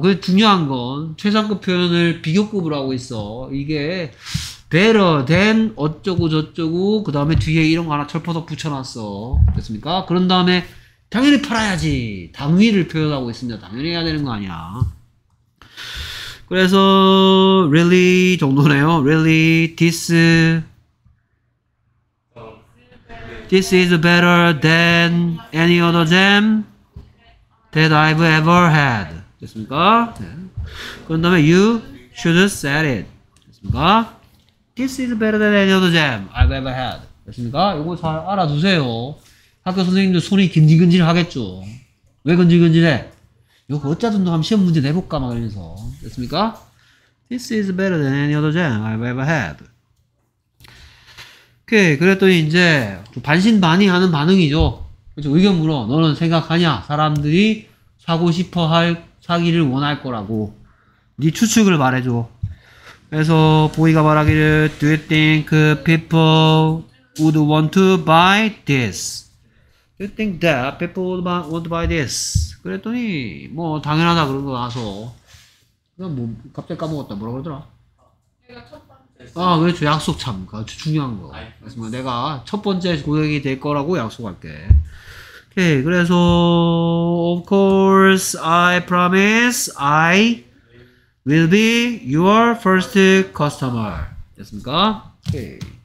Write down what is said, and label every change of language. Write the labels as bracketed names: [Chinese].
[Korean] 근데 중요한 건 최상급 표현을 비교급으로 하고 있어. 이게 better than 어쩌고 저쩌고 그 다음에 뒤에 이런 거 하나 철퍼덕 붙여놨어. 됐습니까? 그런 다음에 당연히 팔아야지. 당위를 표현하고 있습니다. 당연히 해야 되는 거 아니야. 그래서 really 정도네요. [English] really this is better than any other jam that I've ever had. [Korean] 됐습니까? 네. 그런 다음에 [English] you should set it. [Korean] 됐습니까? [English] This is better than any other jam I've ever had. [Korean] 됐습니까? 이거 잘 알아두세요. 학교 선생님들 손이 근질근질 하겠죠. 왜 근질근질해? 이거 어쩌든 한번 시험 문제 내볼까 막 이러면서. 됐습니까? [English] This is better than any other jam I've ever had. [Korean] 오케이. 그랬더니 이제 반신반의 하는 반응이죠. 그렇죠. 의견 물어. 너는 생각하냐? 사람들이 사고 싶어 할, 사기를 원할 거라고. 네 추측을 말해줘. 그래서 보이가 말하기를 [English] Do you think people would want to buy this? Do you think that people would want to buy this? [Korean] 그랬더니 뭐 당연하다 그런 거 나서 그냥 뭐 갑자기 까먹었다. 뭐라 그러더라? 내가 첫 번째. 아 그렇죠. 약속 참. 그 중요한 거. 알겠습니다. 내가 첫 번째 고객이 될 거라고 약속할게. [English] 오케이. [Korean] 그래서 [English] Of course I promise I will be your first customer. [Korean] 됐습니까? [English] 오케이.